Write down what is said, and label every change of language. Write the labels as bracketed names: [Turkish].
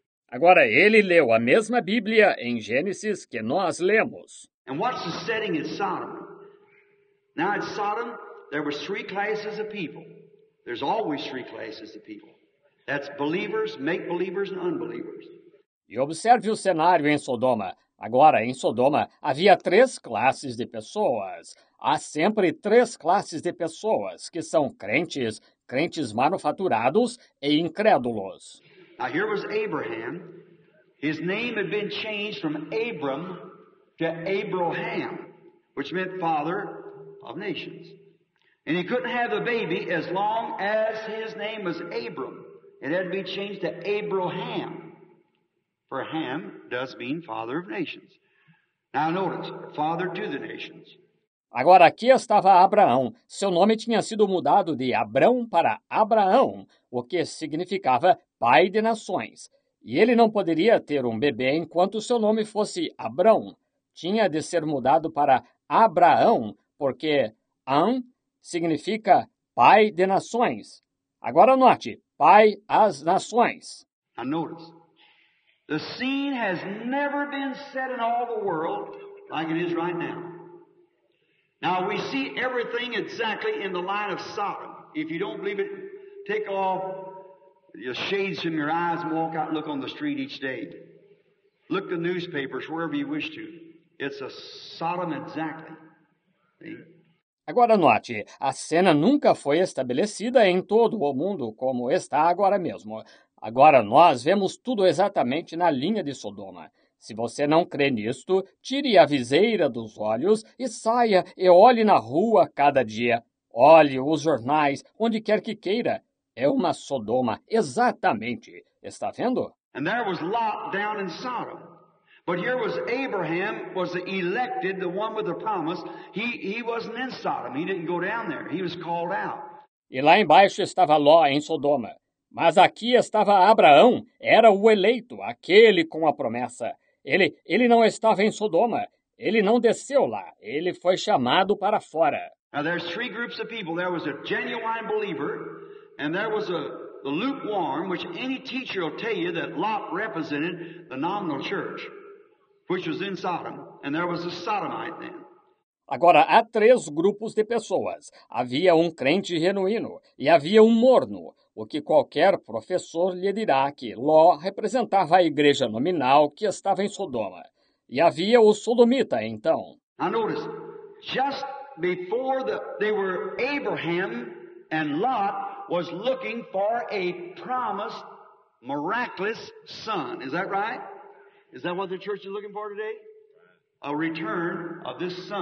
[Portuguese] Agora, ele leu a mesma Bíblia em Gênesis que nós lemos. E qual é o setting em Sodom? Agora, em Sodom, havia três classes de pessoas. Há sempre três classes de pessoas. [English] That's believers, make-believers, and unbelievers. [Portuguese] E observe o cenário em Sodoma. Agora, em Sodoma, havia três classes de pessoas. Há sempre três classes de pessoas, que são crentes, crentes manufaturados e incrédulos. [English] Now, here was Abraham. His name had been changed from Abram to Abraham, which meant father of nations. And he couldn't have a baby as long as his name was Abram. It had to be changed to Abraham, for Ham does mean father of nations. Now notice, father to the nations. [Portuguese] Agora aqui estava Abraão. Seu nome tinha sido mudado de Abrão para Abraão, o que significava pai de nações. E ele não poderia ter um bebê enquanto seu nome fosse Abrão. Tinha de ser mudado para Abraão, porque An significa pai de nações. Agora note. Pai às nações. [English] Now notice, the scene has never been set in all the world like it is right now. Now we see everything exactly in the line of Sodom. If you don't believe it, take off your shades from your eyes and walk out and look on the street each day. Look the newspapers wherever you wish to. It's a Sodom exactly. See? [Portuguese] Agora note, a cena nunca foi estabelecida em todo o mundo como está agora mesmo. Agora nós vemos tudo exatamente na linha de Sodoma. Se você não crê nisto, tire a viseira dos olhos e saia e olhe na rua cada dia. Olhe os jornais, onde quer que queira. É uma Sodoma, exatamente. Está vendo? [English] And there was Lot down in Sodom. But here was Abraham, was the elected, the one with the promise. He wasn't in Sodom. He didn't go down there. He was called out. [Portuguese] E lá embaixo estava Ló em Sodoma. Mas aqui estava Abraão, era o eleito, aquele com a promessa. Ele não estava em Sodoma. Ele não desceu lá. Ele foi chamado para fora. [English] Now there's three groups of people. There was a genuine believer, and there was the lukewarm, which any teacher will tell you that Lot represented the nominal church, which was in Sodom, and there was a Sodomite then. [Portuguese] Agora, há três grupos de pessoas. Havia um crente genuíno e havia um morno, o que qualquer professor lhe dirá que Ló representava a igreja nominal que estava em Sodoma. E havia o sodomita, então. [English] Now notice, just before they were Abraham and Lot was looking for a promised, miraculous son. Is that right? Is that what the church is looking for today? A return of this son,